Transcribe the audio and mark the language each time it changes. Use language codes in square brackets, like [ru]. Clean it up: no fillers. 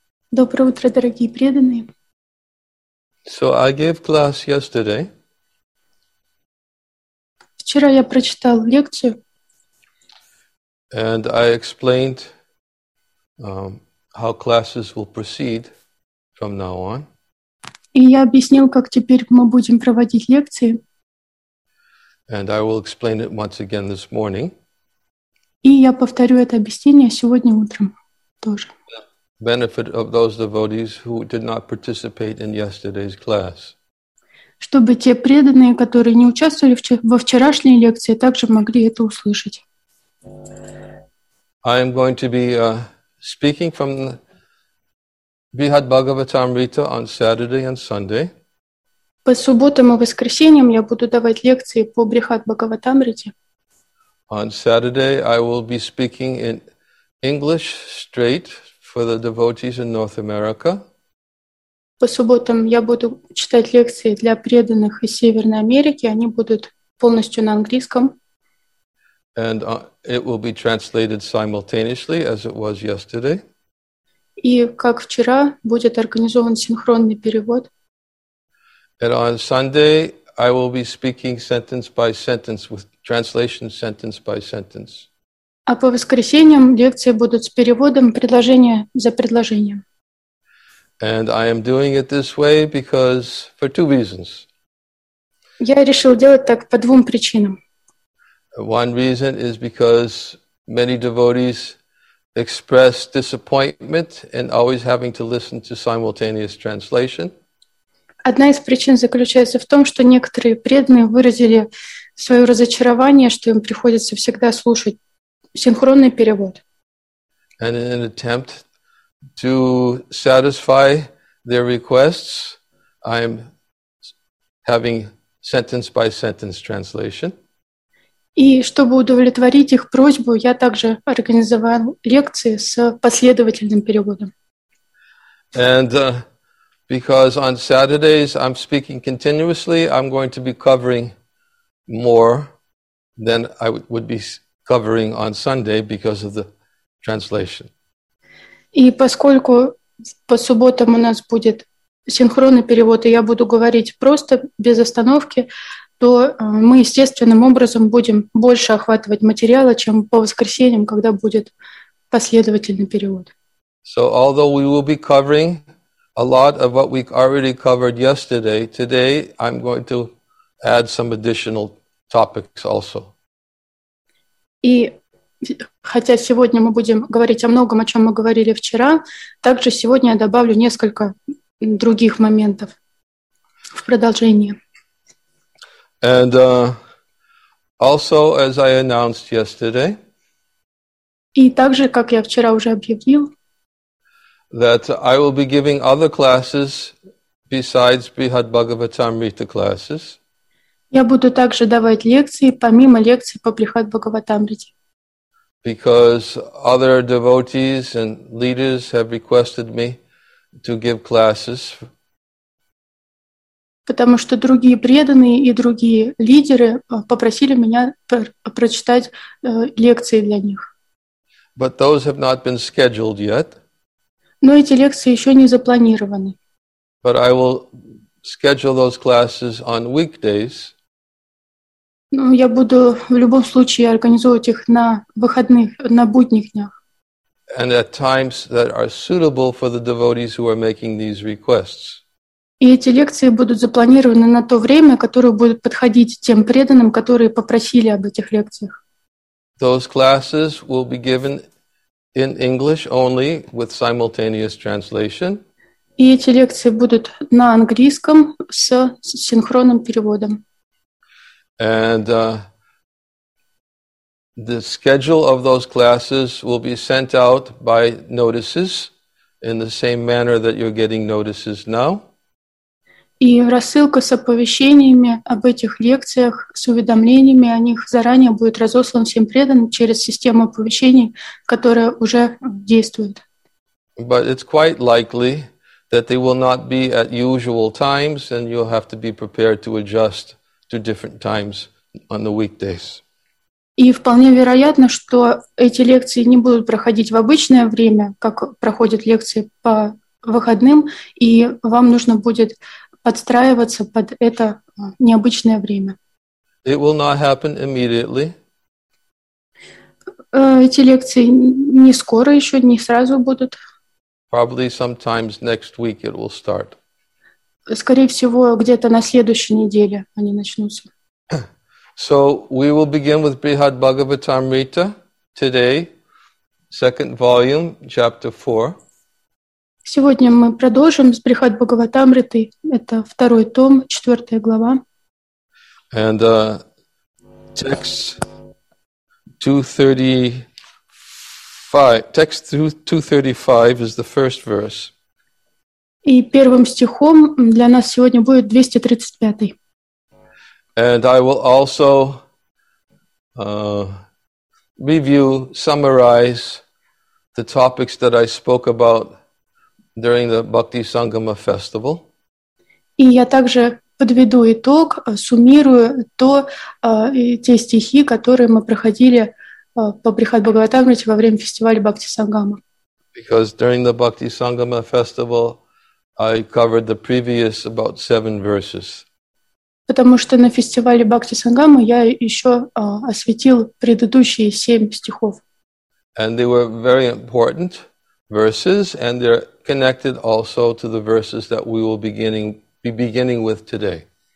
[ru] Доброе утро, дорогие преданные. [en] So I gave class yesterday. [ru] Вчера я прочитал лекцию. [en] And I explained how classes will proceed from now on. [ru] И я объяснил, как теперь мы будем проводить лекции. [en] And I will explain it once again this morning. [ru] И я повторю это объяснение сегодня утром тоже. [en] Benefit of those devotees who did not participate in yesterday's class. [ru] Чтобы те преданные, которые не участвовали во вчерашней лекции, также могли это услышать. [en] I am going to be speaking from Brihad Bhagavatamrita on Saturday and Sunday. [ru] По субботам и воскресеньям я буду давать лекции по Брихат Бхагаватамрите. [en] On Saturday I will be speaking in English straight for the devotees in North America. [ru] По субботам я буду читать лекции для преданных из Северной Америки, они будут полностью на английском. [en] And it will be translated simultaneously as it was yesterday. [ru] И как вчера будет организован синхронный перевод. [en] And on Sunday, I will be speaking sentence by sentence with translation sentence by sentence. [ru] А по воскресеньям лекции будут с переводом предложение за предложением. [en] And I am doing it this way because for two reasons. [ru] Я решил делать так по двум причинам. [en] One reason is because many devotees express disappointment in always having to listen to simultaneous translation. [ru] Одна из причин заключается в том, что некоторые преданные выразили свое разочарование, что им приходится всегда слушать синхронный перевод. [en] And in an attempt to satisfy their requests, I'm having sentence by sentence translation. [ru] И чтобы удовлетворить их просьбу, я также организовал лекции с последовательным переводом. [en] And because on Saturdays I'm speaking continuously, I'm going to be covering more than I would be covering on Sunday because of the translation. [ru] И поскольку по субботам у нас будет синхронный перевод, и я буду говорить просто без остановки, то мы естественным образом будем больше охватывать материала, чем по воскресеньям, когда будет последовательный перевод. [en] So although we will be covering a lot of what we already covered yesterday, today I'm going to add some additional topics also. [ru] И хотя сегодня мы будем говорить о многом, о чем мы говорили вчера, также сегодня я добавлю несколько других моментов в продолжение. [en] And also, as I announced yesterday, [ru] и также, как я вчера уже объявил, [en] that I will be giving other classes besides Brihad Bhagavatamrita classes. [ru] Я буду также давать лекции, помимо лекций по Брихат Бхагаватамрите. [en] Because other devotees and leaders have requested me to give classes. [ru] Потому что другие преданные и другие лидеры попросили меня прочитать лекции для них. [en] But those have not been scheduled yet. [ru] Но эти лекции еще не запланированы. [en] But I will schedule those classes on weekdays. [ru] Ну, я буду в любом случае организовывать их на выходных, на будних днях. [en] And at times that are suitable for the devotees who are making these requests. [ru] И эти лекции будут запланированы на то время, которое будет подходить тем преданным, которые попросили об этих лекциях. [en] Those classes will be given in English only with simultaneous translation. [ru] И эти лекции будут на английском с синхронным переводом. [en] And the schedule of those classes will be sent out by notices in the same manner that you're getting notices now. [ru] И рассылка с оповещениями об этих лекциях, с уведомлениями о них заранее будет разослан всем преданным через систему оповещений, которая уже действует. [en] But it's quite likely that they will not be at usual times, and you'll have to be prepared to adjust to different times on the weekdays. [ru] И вполне вероятно, что эти лекции не будут проходить в обычное время, как проходят лекции по выходным, и вам нужно будет подстраиваться под это необычное время. [en] It will not happen immediately. [ru] Эти лекции не скоро еще, не сразу будут. [en] Probably sometimes next week it will start. [ru] Скорее всего, где-то на следующей неделе они начнутся. [en] So we will begin with Brihad Bhagavatamrita today, second volume, chapter 4. [ru] Сегодня мы продолжим с Брихад Бхагаватамриты. Это второй том, четвертая глава. [en] And text 235. Text 235 is the first verse. [ru] И первым стихом для нас сегодня будет 235-й. [en] And I will also review, summarize the topics that I spoke about during the Bhakti Sangama festival. [ru] И я также подведу итог, суммирую то, те стихи, которые мы проходили по Брихад Бхагаватамрите во время фестиваля Бхакти Сангама. [en] Because during the Bhakti Sangama festival, I covered the previous about 7 verses. [ru] Потому что на фестивале Бхакти Сангама я еще осветил предыдущие 7 стихов. [en] And they were very important verses, and they're connected also to the verses that we will be beginning with today.